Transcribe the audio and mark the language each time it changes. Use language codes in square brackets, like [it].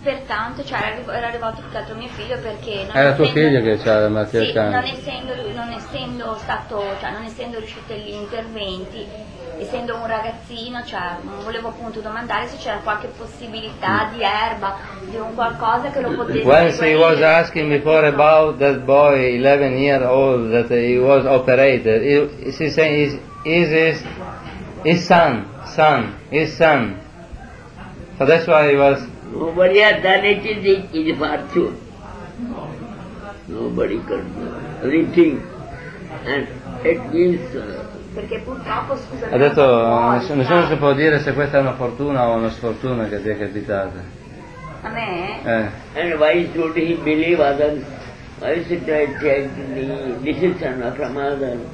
[it] pertanto cioè, era rivolto più che altro mio figlio perché non era tuo figlio che c'era la malattia sì, non essendo riusciti gli interventi, essendo un ragazzino, cioè, volevo appunto domandare se c'era qualche possibilità di erba, di un qualcosa che lo potesse [en] when he was asking before about that boy 11 year old that he was operated, she said his son. So that's why he was... Nobody has done anything in fortune. Nobody can do anything. And it means... [it] Perché purtroppo, scusa... Ha detto, nessuno si può dire se questa è una fortuna o una sfortuna che ti è capitata. A me? [en] And why should he believe others? Why should I take the decision from others?